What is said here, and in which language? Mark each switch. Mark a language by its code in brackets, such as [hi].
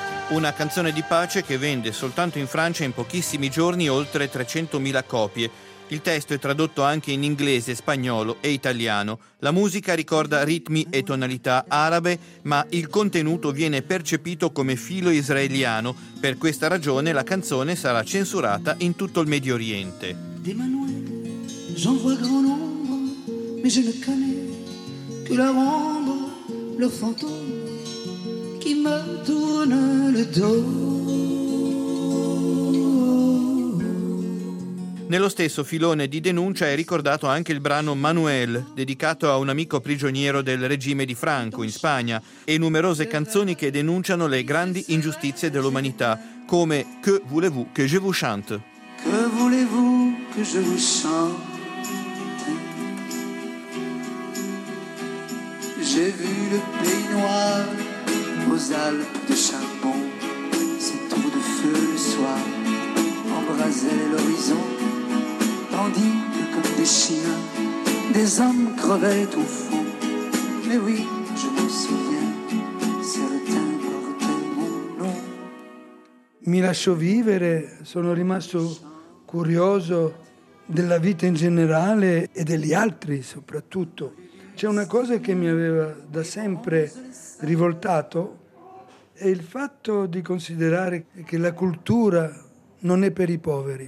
[it] una canzone di pace che vende soltanto in Francia in pochissimi giorni oltre 300.000 copie. Il testo è tradotto anche in inglese, spagnolo e italiano. La musica ricorda ritmi e tonalità arabe, ma il contenuto viene percepito come filo israeliano. Per questa ragione la canzone sarà censurata in tutto il Medio Oriente. [fr] D'Emmanuel, j'en vois grand nombre, mais je ne connais que leur ombre, leur fantôme qui me tourne le dos. [it] Nello stesso filone di denuncia è ricordato anche il brano Manuel, dedicato a un amico prigioniero del regime di Franco in Spagna, e numerose canzoni che denunciano le grandi ingiustizie dell'umanità, come Que voulez-vous que je vous chante? [fr] Que voulez-vous que je vous chante? J'ai vu le pays noir aux Alpes de charbon, ces trous de feu le soir embrasaient l'horizon. Tandis que comme des chiens, des hommes crevaient au fond. Mais oui, je me souviens, certains portaient mon nom. [it] Mi lascio vivere, sono rimasto curioso della vita in generale e degli altri soprattutto. C'è una cosa che mi aveva da sempre rivoltato, è il fatto di considerare che la cultura non è per i poveri.